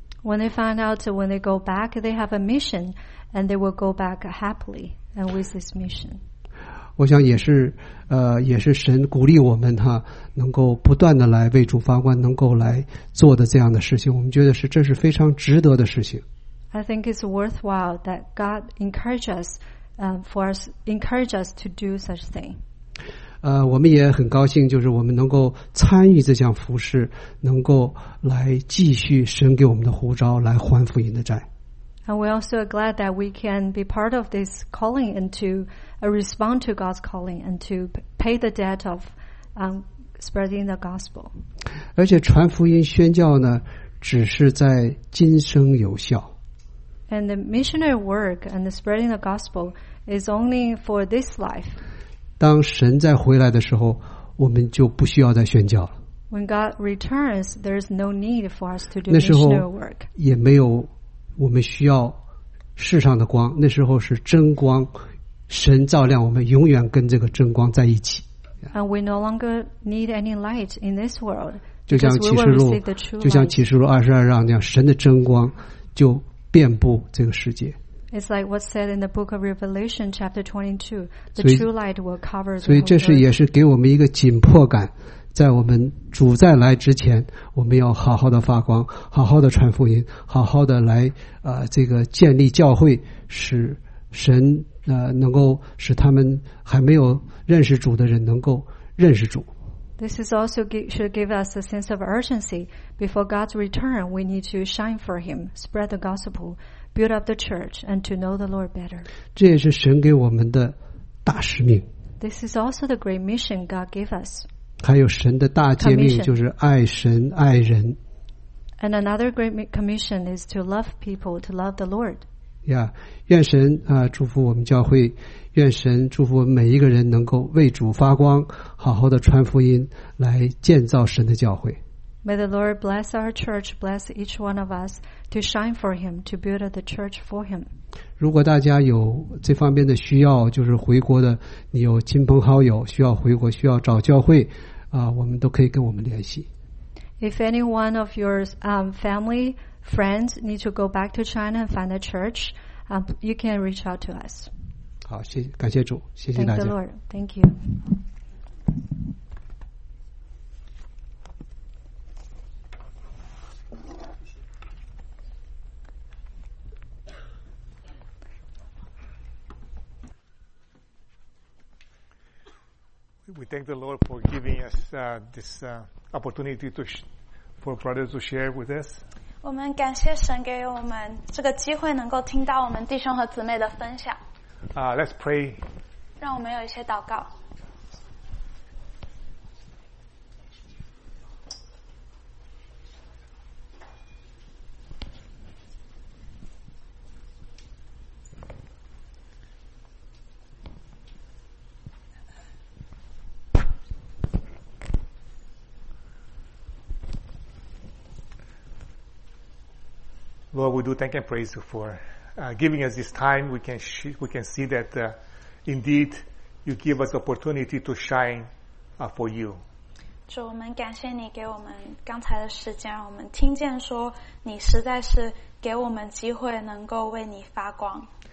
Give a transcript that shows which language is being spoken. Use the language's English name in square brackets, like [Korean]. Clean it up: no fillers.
[English] When they find out, when they go back, they have a mission, and they will go back happily and with this mission. [Chinese] 我想也是神鼓励我们哈，能够不断的来为主发光，能够来做的这样的事情，我们觉得这是非常值得的事情。 [English] I think it's worthwhile that God encourages us. For us, encourage us to do such thing. [Chinese] 我们也很高兴，就是我们能够参与这项服事，能够来继续神给我们的呼召，来还福音的债。 [English] And we're also glad that we can be part of this calling and to respond to God's calling and to pay the debt of spreading the gospel. [Chinese] 而且传福音宣教呢，只是在今生有效。 [English] And the missionary work and the spreading the gospel is only for this life. [Chinese] 当神再回来的时候，我们就不需要再宣教了。 [English] When God returns, there is no need for us to do missionary work. [Chinese] 那时候也没有我们需要世上的光，那时候是真光，神照亮我们，永远跟这个真光在一起。 [English] And we no longer need any light in this world. [Chinese] 就像启示录，就像启示录二十二章那样，神的真光就遍布这个世界。 [English] It's like what's said in the book of Revelation, chapter 22. The true light will cover. [Chinese] 所以这是也是给我们一个紧迫感，在我们主再来之前，我们要好好的发光，好好的传福音，好好的来这个建立教会，使神能够使他们还没有认识主的人能够认识主。 [English] This is also should give us a sense of urgency. Before God's return, we need to shine for Him, spread the gospel. Build up the church and to know the Lord better. [Chinese] 这也是神给我们的大使命。 [English] This is also the great mission God gave us. [Chinese] 还有神的大诫命就是爱神爱人。 [English] And another great commission is to love people, to love the Lord. [Chinese] Yeah, 愿神祝福我们教会，愿神祝福每一个人能够为主发光，好好的传福音，来建造神的教会。 [English] May the Lord bless our church, bless each one of us to shine for Him, to build the church for Him. [Chinese] 如果大家有这方面的需要，就是回国的，你有亲朋好友需要回国，需要找教会，我们都可以跟我们联系。 [English] If any one of your family, friends need to go back to China and find a church, you can reach out to us. [Chinese] 好，谢谢，感谢主，谢谢大家。 [English] Thank the Lord. Thank you. We thank the Lord for giving us this opportunity for brothers to share with us. [Chinese] 我们感谢神给我们这个机会，能够听到我们弟兄和姊妹的分享。 [English] Let's pray. [Chinese] 让我们有一些祷告。 [English] Lord, we do thank and praise you for giving us this time. We can see that indeed you give us opportunity to shine for you. [Chinese] 主，我们感谢你给我们刚才的时间，我们听见说你实在是给我们机会能够为你发光。